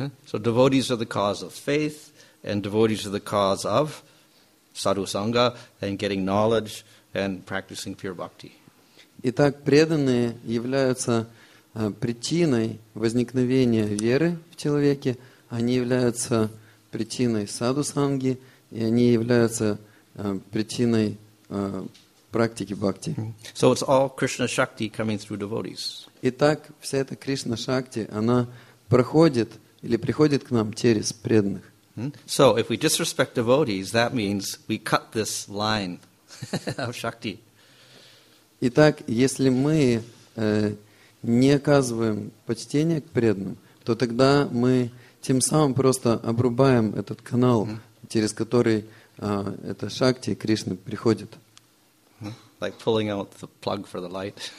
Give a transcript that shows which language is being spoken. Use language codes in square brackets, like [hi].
[en] So devotees are the cause of faith, and devotees to the cause of sadhu sangha and getting knowledge and practicing pure bhakti. [ru] Итак, преданные являются причиной возникновения веры в человеке, они являются причиной саду санги, и они являются причиной практики бхакти. [en] So it's all Krishna Shakti coming through devotees. [ru] Итак, вся эта Кришна Шакти, она проходит или приходит к нам через преданных. [en] So if we disrespect devotees, that means we cut this line of Shakti. [ru] Итак, если мы не оказываем почтения к преданным, то тогда мы тем самым просто обрубаем этот канал, через который эта Шакти Кришны приходит. [en] Like pulling out the plug for the light.